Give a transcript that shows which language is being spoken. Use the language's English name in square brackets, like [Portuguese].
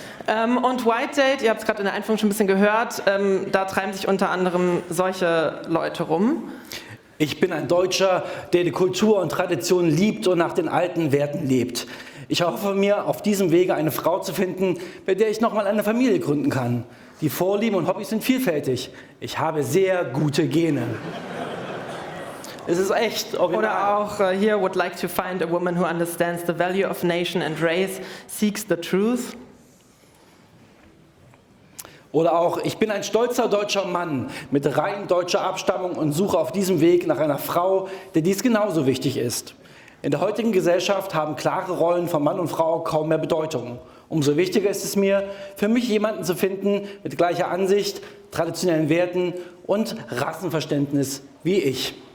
[German] Und White Date, ihr habt es gerade in der Einführung schon ein bisschen gehört, da treiben sich unter anderem solche Leute rum. Ich bin ein Deutscher, der die Kultur und Tradition liebt und nach den alten Werten lebt. Ich hoffe mir, auf diesem Wege eine Frau zu finden, bei der ich nochmal eine Familie gründen kann. Die Vorlieben und Hobbys sind vielfältig. Ich habe sehr gute Gene. Es ist echt original. Oder auch hier, [English] would like to find a woman who understands the value of nation and race, seeks the truth. [German] Oder auch, ich bin ein stolzer deutscher Mann mit rein deutscher Abstammung und suche auf diesem Weg nach einer Frau, der dies genauso wichtig ist. In der heutigen Gesellschaft haben klare Rollen von Mann und Frau kaum mehr Bedeutung. Umso wichtiger ist es mir, für mich jemanden zu finden mit gleicher Ansicht, traditionellen Werten und Rassenverständnis wie ich.